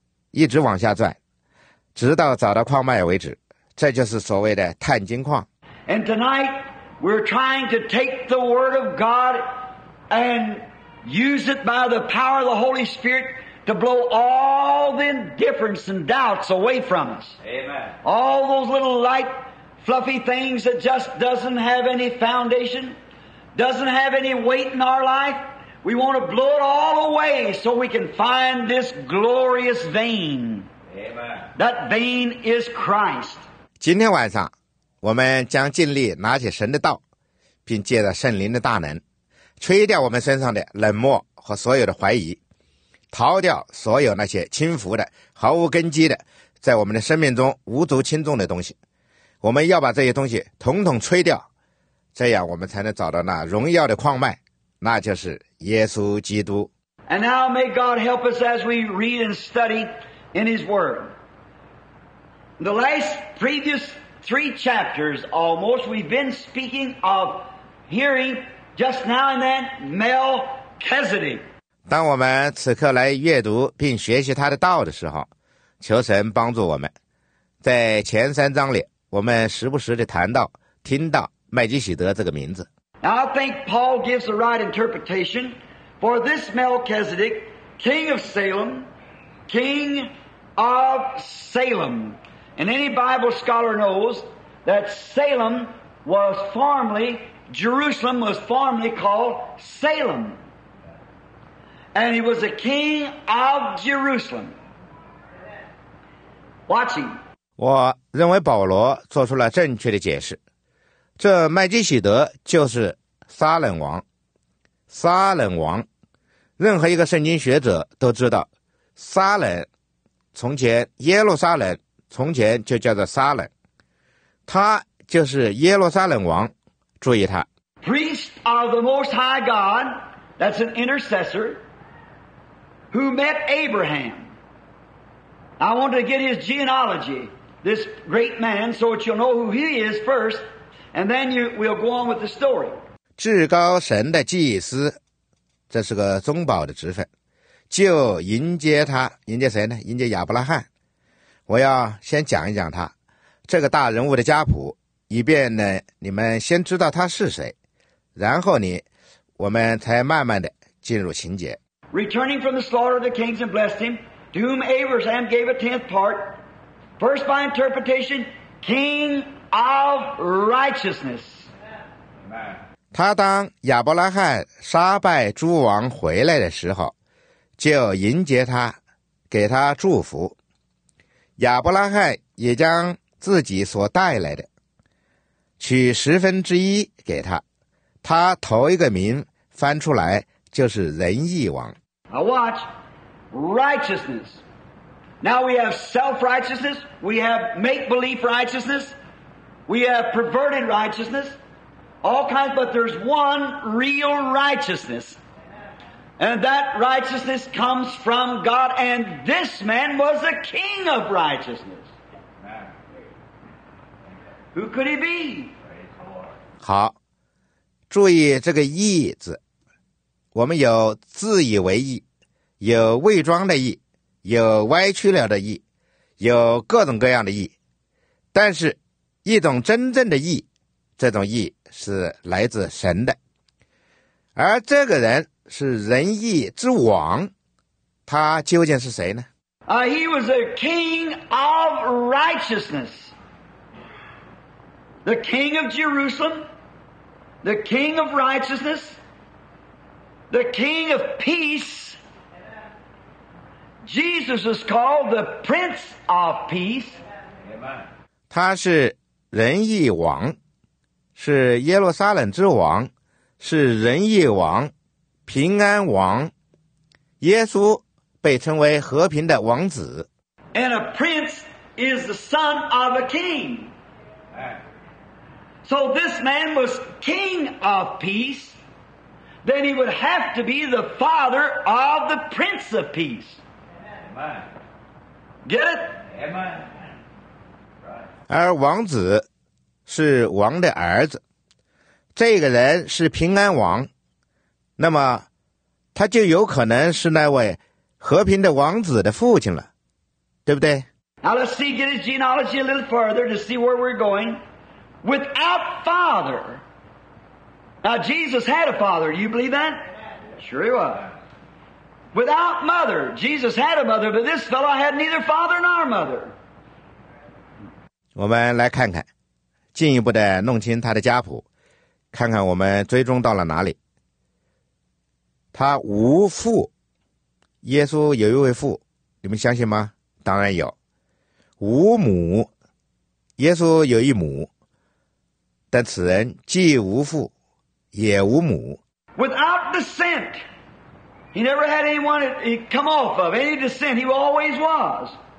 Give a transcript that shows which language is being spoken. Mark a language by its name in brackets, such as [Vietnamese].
[Chinese] 一直往下转，直到找到矿脉为止，这就是所谓的探金矿。 [English] And tonight we're trying to take the word of God and use it by the power of the Holy Spirit to blow all the indifference and doubts away from us. Amen. All those little light, fluffy things that just doesn't have any foundation, doesn't have any weight in our life. We want to blow it all away so we can find this glorious vein. Amen. That vein is Christ. [Chinese] 今天晚上，我们将尽力拿起神的道，并借着圣灵的大能，吹掉我们身上的冷漠和所有的怀疑，逃掉所有那些轻浮的、毫无根基的、在我们的生命中无足轻重的东西。我们要把这些东西统统吹掉，这样我们才能找到那荣耀的矿脉。那就是耶稣基督。 [English] And now may God help us as we read and study in His Word. In the last previous three chapters almost, we've been speaking of hearing just now and then Melchizedek. [Chinese] 当我们此刻来阅读并学习他的道的时候，求神帮助我们。在前三章里，我们时不时地谈到、听到麦基洗德这个名字。 [English] Now I think Paul gives the right interpretation for this Melchizedek, king of Salem, king of Salem. And any Bible scholar knows that Salem was formerly, Jerusalem was formerly called Salem. And he was a king of Jerusalem. Watch him. [Chinese] 我认为保罗做出了正确的解释。这麦基洗德就是撒冷王，撒冷王，任何一个圣经学者都知道，撒冷从前耶路撒冷从前就叫做撒冷，他就是耶路撒冷王。注意他 [English] ，priest of the Most High God, that's an intercessor who met Abraham. I want to get his genealogy, this great man, so that you'll know who he is first, and then you will go on with the story. [Chinese] 至高神的祭司，这是个宗保的职分，就迎接他，迎接谁呢？迎接亚伯拉罕。我要先讲一讲他这个大人物的家谱，以便呢你们先知道他是谁，然后呢我们才慢慢的进入情节。 [English] Returning from the slaughter of the kings and blessed him, to whom Abraham gave a tenth part, first by interpretation, king of righteousness. Amen. [Chinese] 他当亚伯拉罕杀败诸王回来的时候，就迎接他，给他祝福。亚伯拉罕也将自己所带来的取十分之一给他，他头一个名翻出来就是仁义王。 [English] Now watch righteousness. Now we have self-righteousness, we have make-belief righteousness, we have perverted righteousness. All kinds, but there's one real righteousness. And that righteousness comes from God, and this man was a king of righteousness. Who could he be? [Chinese] 好，注意这个义字。我们有自以为义，有伪装的义，有歪曲了的义，有各种各样的义。但是一种真正的义，这种义是来自神的，而这个人是仁义之王，他究竟是谁呢？ [English] He was a king of righteousness. the King of Jerusalem, the King of righteousness, the King of peace. Jesus is called the Prince of Peace. [Chinese] 他是仁义王，是耶路撒冷之王，是仁义王，平安王。耶稣被称为和平的王子。 [English] And a prince is the son of a king. So this man was King of Peace. Then he would have to be the father of the Prince of Peace. Get it? Amen. [Chinese] 而王子是王的儿子，这个人是平安王，那么他就有可能是那位和平的王子的父亲了，对不对？ [English] Now let's see, get his genealogy a little further to see where we're going. Without father. Now Jesus had a father, do you believe that? Sure he was. Without mother, Jesus had a mother, but this fellow had neither father nor mother. [Chinese] 我们来看看，进一步的弄清他的家谱，看看我们追踪到了哪里。他无父，耶稣有一位父，你们相信吗？当然有。无母，耶稣有一母，但此人既无父，也无母。 [English] Without descent, he never had anyone he come off of, any descent, he always was.